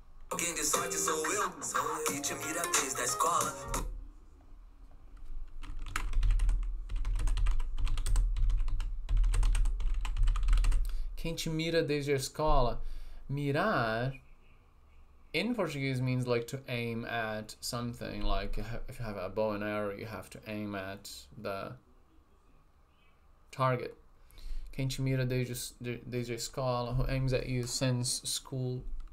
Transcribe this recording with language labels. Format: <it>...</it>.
<pt>Alguém de sorte sou eu, que te mira desde a escola. Quem te mira desde a escola?</pt> <en>Mirar, in Portuguese, means like to aim at something. Like if you have a bow and arrow, you have to aim at the target.</en> <pt>Quem te mira desde a escola?</pt> <en>Who aims at you since school?</en>